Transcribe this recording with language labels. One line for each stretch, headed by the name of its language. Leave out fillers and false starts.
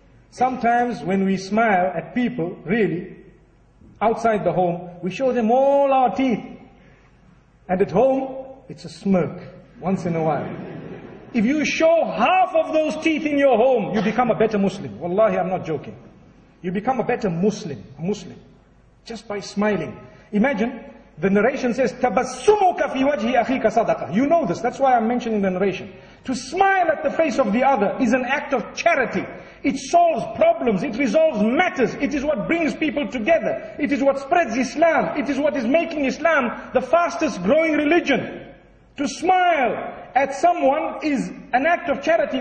English: Sometimes when we smile at people, really, outside the home, we show them all our teeth. And at home, it's a smirk, once in a while. If you show half of those teeth in your home, you become a better Muslim. Wallahi, I'm not joking. You become a better Muslim, a Muslim, just by smiling. Imagine, the narration says,
Arabic: تَبَسُّمُكَ فِي وَجْهِ أَخِيكَ صَدَقَ.
English: You know this, that's why I'm mentioning the narration. To smile at the face of the other is an act of charity. It solves problems, it resolves matters, it is what brings people together. It is what spreads Islam, it is what is making Islam the fastest growing religion. To smile at someone is an act of charity.